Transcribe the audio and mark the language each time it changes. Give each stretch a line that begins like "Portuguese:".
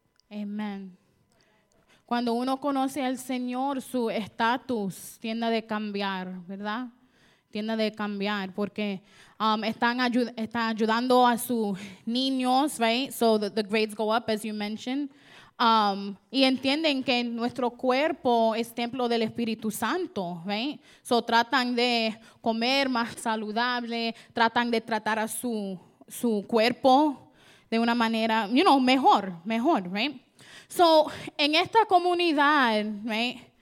Spanish: Amen. Cuando uno conoce al Señor, su estatus tiende a cambiar, ¿verdad? Tiende a cambiar porque están ayudando a sus niños, right?
English: So the grades go up, as you mentioned.
Spanish: Y entienden que nuestro cuerpo es templo del Espíritu Santo, ¿right? So tratan de comer más saludable, tratan de tratar a su cuerpo de una manera,
English: you know,
Spanish: mejor, ¿right? So en esta comunidad, ¿right?